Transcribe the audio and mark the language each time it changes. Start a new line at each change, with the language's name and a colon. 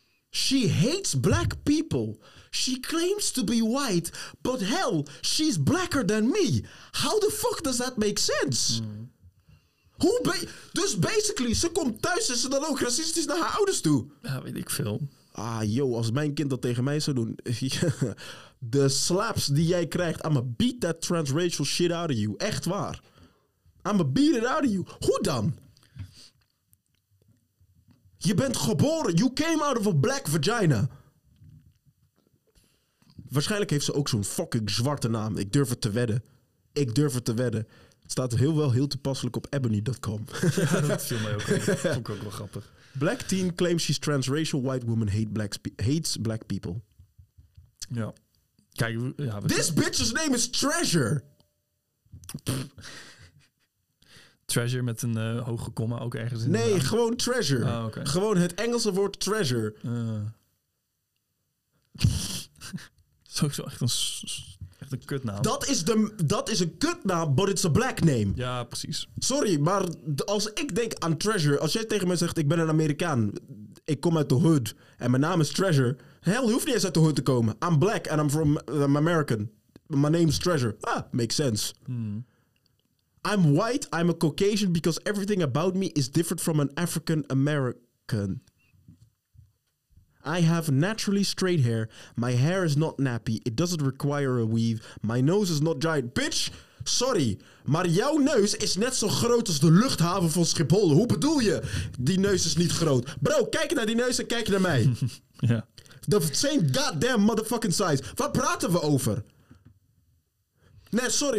English: She hates black people. She claims to be white, but hell, she's blacker than me. How the fuck does that make sense? Mm.
Dutch: Dus basically, ze komt thuis en ze dan ook racistisch naar haar ouders toe. Ja, weet ik veel. Ah, joh, als mijn kind dat tegen mij zou doen. De slaps die jij krijgt,
English: I'ma beat that transracial shit out of you.
Dutch: Echt waar.
English: I'ma beat it out of you.
Dutch: Hoe dan? Je bent geboren.
English: You came out of a black vagina.
Dutch: Waarschijnlijk heeft ze ook zo'n fucking zwarte naam. Ik durf het te wedden. Het staat heel toepasselijk op ebony.com. Ja, dat viel mij ook aan. Vond ik ook wel grappig.
English: Black teen claims she's transracial white woman hates black people.
Dutch: Ja. Kijk, ja,
English: this bitch's name is Treasure.
Dutch: Treasure met een hoge komma ook ergens in. Nee, gewoon Treasure.
English: Oh, okay.
Dutch: Gewoon het Engelse woord Treasure. Zo is echt een kutnaam. Dat is een kutnaam,
English: but it's a black name.
Dutch: Ja, precies. Sorry, maar als ik denk aan Treasure, als jij tegen mij zegt, ik ben een Amerikaan, ik kom uit de hood en mijn naam is Treasure. Hell, je hoeft niet eens uit de hood te komen.
English: I'm black and I'm from American. My name is Treasure. Ah, makes sense. I'm white, I'm a Caucasian, because everything about me is different from an African American. I have naturally straight hair. My hair is not nappy. It doesn't require a weave. My nose is not giant.
Dutch: Bitch, sorry, maar jouw neus is net zo groot als de luchthaven van Schiphol. Hoe bedoel je? Die neus is niet groot. Bro, kijk naar die neus en kijk naar mij. Ja.
English: The same goddamn motherfucking size.
Dutch: Waar praten we over? Nee, sorry,